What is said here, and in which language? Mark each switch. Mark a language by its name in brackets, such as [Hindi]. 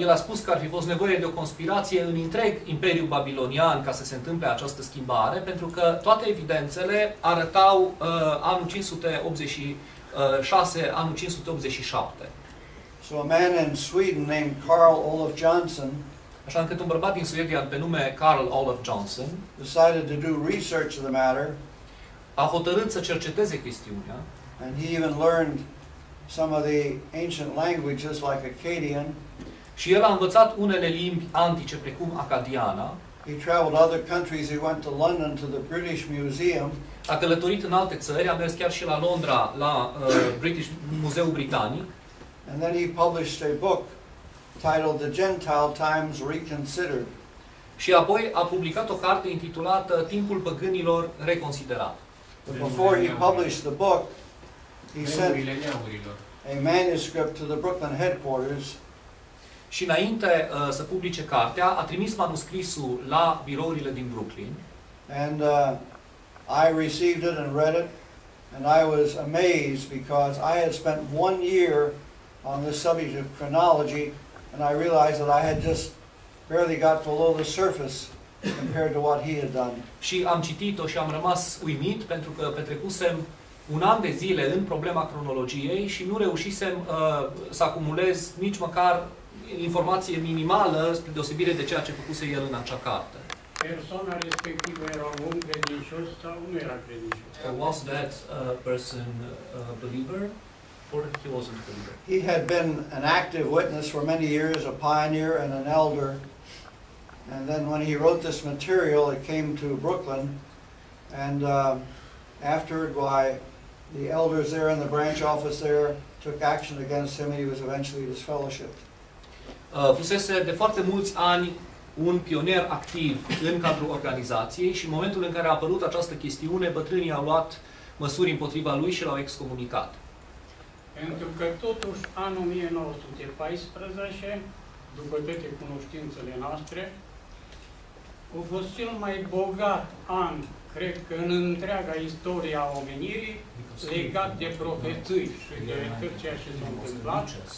[Romanian] El a spus că ar fi fost nevoie de o conspirație în întreg Imperiul Babilonian ca să se întâmple această schimbare, pentru că toate evidențele arătau anul 586, anul 587. [English] So a man in Sweden named Carl Olof Johnson, [Romanian] așa încât un bărbat din Suedia pe nume Carl Olof Johnson, [English] decided to do research of the matter, [Romanian] a hotărât să cerceteze chestiunea, [English] and he even learned some of the ancient languages like Akkadian. [Romanian] Și el a învățat unele limbi antice, precum acadiana. [English] He traveled other countries. He went to London to the British Museum. [Romanian] A călătorit în alte țări, a mers chiar și la Londra, la Muzeul Britanic. [English] And then he published a book titled The Gentile Times Reconsidered. [Romanian] Și apoi a publicat o carte intitulată Timpul Păgânilor Reconsiderat. [English] But before he published the book, he sent a manuscript to the Brooklyn headquarters. [Romanian] Și înainte să publice cartea, a trimis manuscrisul la birourile din Brooklyn. [English] And I received it and read it and I was amazed because I had spent one year on this subject of chronology and I realized that I had just barely got below the surface compared to what he had done. [Romanian] Și am citit-o și am rămas uimit pentru că petrecusem un an de zile în problema cronologiei și nu reușisem să acumulez nici măcar informație minimală spre deosebire de ceea ce făcuse el în acea carte. Persona respectivă era un credincios sau nu era credincios? [English] Was that person a believer or he wasn't a believer? He had been an active witness for many years, a pioneer and an elder. And then when he wrote this material, it came to Brooklyn. And after why the elders there in the branch office there took action against him and he was eventually disfellowshipped. [Romanian] Fusese de foarte mulți ani un pionier activ în cadrul organizației și în momentul în care a apărut această chestiune, bătrânii au luat măsuri împotriva lui și l-au excomunicat. Pentru că totuși anul 1914, după toate cunoștințele noastre, a fost cel mai bogat an, cred că în întreaga istorie a omenirii, legat de profeții și de tot ceea ce s-a întâmplat.